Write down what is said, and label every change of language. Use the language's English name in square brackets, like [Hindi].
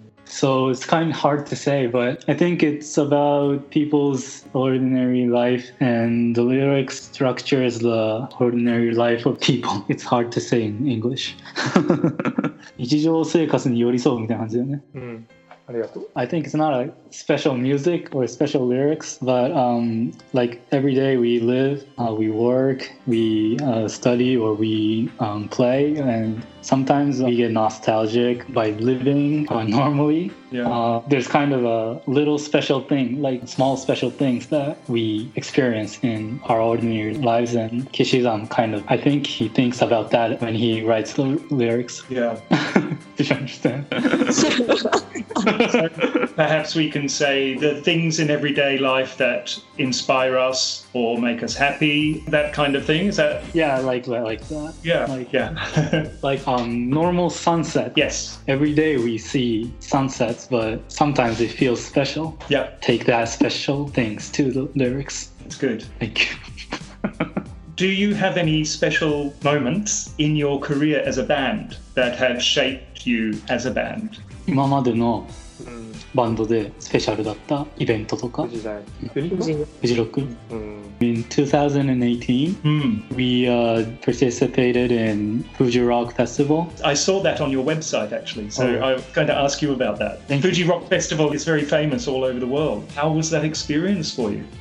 [English] So it's kind of hard to say, but I think it's about people's ordinary life, and the lyric structure is the ordinary life of people. It's hard to say in English. [Japanese] 日常生活に寄り添うみたいな感じだよね。うん、ありがとう。 [English] I think it's not a special music or special lyrics, but like every day we live, we work, we study or we play, and sometimes we get nostalgic by living normally. Yeah. There's kind of a little special thing, like small special things that we experience in our ordinary lives, and Kishi-san kind of, I think he thinks about that when he writes the lyrics. Yeah. Did you understand? Perhaps we can say the things in everyday life that inspire us or make us happy, that kind of thing. Is that? Yeah, like that. Yeah. Like normal sunset. Yes. Every day we see sunsets, but sometimes it feels special. Yeah. Take that special things to the lyrics. That's good. Thank you. Do you have any special moments in your career as a band that have shaped you as a band? [Japanese] 今までのバンドでスペシャルだったイベントとか富士 [English] ロック、うん、In 2018、うん、We participated in Fuji Rock Festival. I saw that on your website actually, so、oh. I'm going to ask you about that. Thank Fuji you. Rock Festival is very famous all over the world. How was that experience for you?